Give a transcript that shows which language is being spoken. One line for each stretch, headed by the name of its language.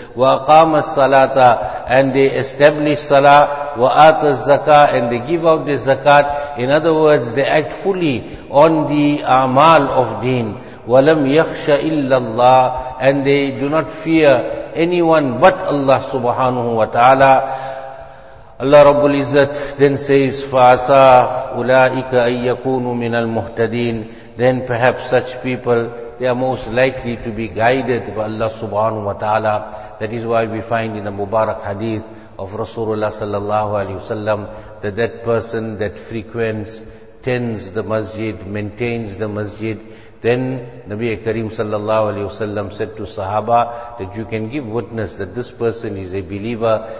Arabic: Wa aqama salata,
English: and they establish salah.
Arabic: Wa ata zakah,
English: and they give out the zakat. In other words, they act fully on the amal of deen.
Arabic: Wa lam yakhsha illallah,
English: and they do not fear anyone but Allah subhanahu wa ta'ala. Allah Rabbul Izzat then says,
Arabic: فَعَسَىٰ أُولَٰئِكَ أَن يَكُونُوا مِنَ الْمُهْتَدِينَ.
English: Then perhaps such people, they are most likely to be guided by Allah subhanahu wa ta'ala. That is why we find in a Mubarak hadith of Rasulullah sallallahu alayhi wa sallam, that person that frequents, tends the masjid, maintains the masjid, then Nabi Kareem sallallahu alayhi wa sallam said to Sahaba that you can give witness that this person is a believer.